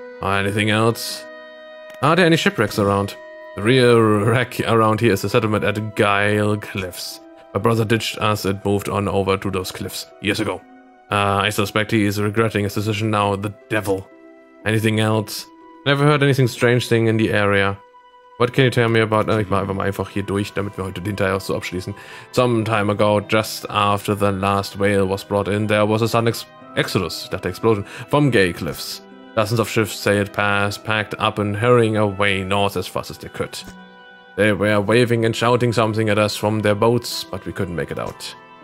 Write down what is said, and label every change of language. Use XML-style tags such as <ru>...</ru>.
<en>Anything else? Are there any shipwrecks around? The real wreck around here is the settlement at Gile Cliffs. My brother ditched us and moved on over to those cliffs years ago. I suspect he is regretting his decision now. The devil. Anything else? Never heard anything strange thing in the area. What can you tell me about?</en> <de>Ich mach einfach mal einfach hier durch, damit wir heute den Teil auch so abschließen.</de> <en>Some time ago, just after the last whale was brought in, there was a sudden exodus, that explosion, from Gay Cliffs. Dozens of ships sailed past, packed up and hurrying away north as fast as they could. They were waving and shouting something at us from their boats, but we couldn't make it out.</en>